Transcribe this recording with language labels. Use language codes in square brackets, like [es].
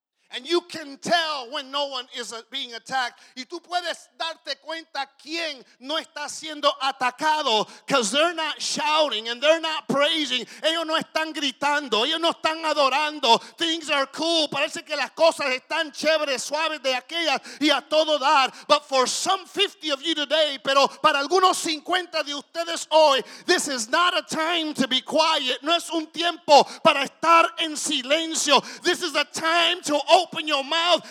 [en] And you can tell when no one is being attacked. [es] Y tú puedes darte cuenta quién no está siendo atacado. [en] Because they're not shouting and they're not praising. [es] Ellos no están gritando. Ellos no están adorando. [en] Things are cool. [es] Parece que las cosas están chéveres, suaves de aquellas y a todo dar. [en] But for some 50 of you today, [es] pero para algunos 50 de ustedes hoy, [en] this is not a time to be quiet. [es] No es un tiempo para estar en silencio. [en] This is a time to open your mouth.